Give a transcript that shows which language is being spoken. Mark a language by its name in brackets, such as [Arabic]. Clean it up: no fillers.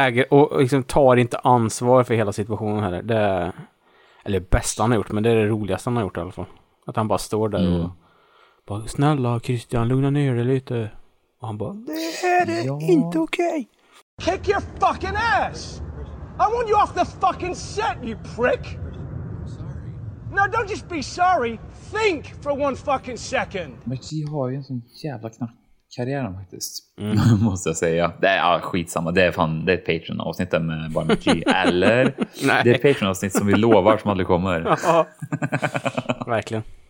[Swedish] och liksom tar inte ansvar för hela situationen heller. Eller det bästa han har gjort, men det är det roligaste han har gjort i alla fall. Att han bara står där och bara, snälla Christian, lugna ner dig lite. Och han bara, det här är inte okej. [English] Kick your fucking ass! I want you off the fucking set, you prick! No, don't just be sorry. Think for one fucking second. [Swedish] McGee har ju en sån jävla knack karriär faktiskt. Måste jag säga. Det är skitsamma. Det är fan, det är ett Patreon-avsnitt med bara McGee. Eller nej, det är ett Patreon-avsnitt som vi lovar som aldrig kommer. Ja. Verkligen.